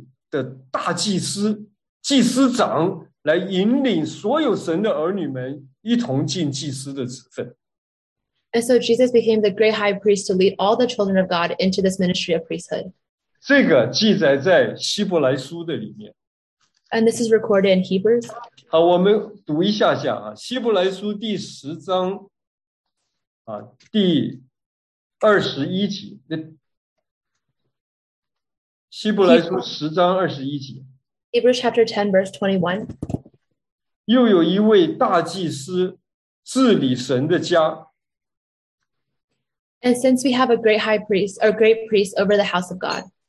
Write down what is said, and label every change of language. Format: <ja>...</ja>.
<zh>那么主耶稣他就成为教会的大祭司, 祭司长, 来引领所有神的儿女们一同进祭司的职分。</zh> <en>And so Jesus became the great high priest to lead all the children of God into this ministry of priesthood.</en> <zh>这个记载在希伯来书的里面。</zh> <en>And this is recorded in Hebrews.</en> <zh>好,我们读一下下,希伯来书第十章,第二十一节。希伯来书十章二十一节。</zh> <en>Hebrews chapter 10, verse 21.</en> <zh>又有一位大祭司治理神的家,</zh> <en>and since we have a great high priest, a great priest over the house of God,</en>